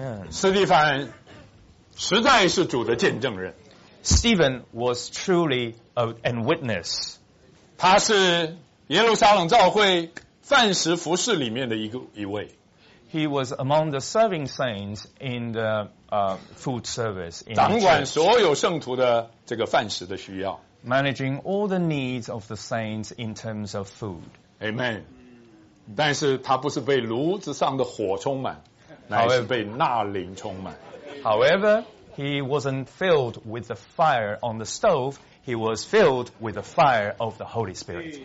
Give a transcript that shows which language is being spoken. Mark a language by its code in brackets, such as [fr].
[zh] 斯蒂凡实在是主的见证人。 [en] Stephen was truly an witness. [zh] 他是耶路撒冷教会饭食服事里面的一位。 [en] He was among the serving saints in the food service. [zh] 掌管所有圣徒的这个饭食的需要。 [en] Managing all the needs of the saints in terms of food. Amen. [zh] 但是他不是被炉子上的火充满。乃是被纳灵充满。 [en] However, he wasn't filled with the fire on the stove. He was filled with the fire of the Holy Spirit.